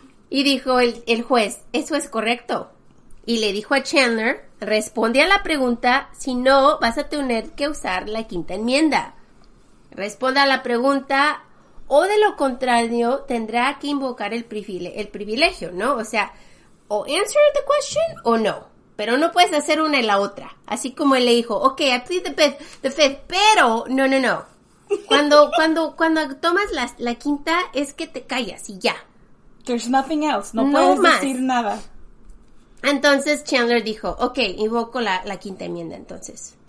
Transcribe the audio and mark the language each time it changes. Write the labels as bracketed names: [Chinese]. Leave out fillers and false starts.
[Spanish] Y dijo el juez, eso es correcto. Y le dijo a Chandler, responde a la pregunta, si no, vas a tener que usar la quinta enmienda. Responda a la pregunta, o de lo contrario, tendrá que invocar el privilegio, ¿no? O sea, o [English] answer the question, [Spanish] o no. Pero no puedes hacer una y la otra. Así como él le dijo, [English] ok, I plead the fifth, [Spanish] pero, no, no, no. Cuando tomas la quinta, es que te callas y ya. [English] There's nothing else. [Spanish] No puedes decir nada. Entonces Chandler dijo, ok, invoco la quinta enmienda entonces.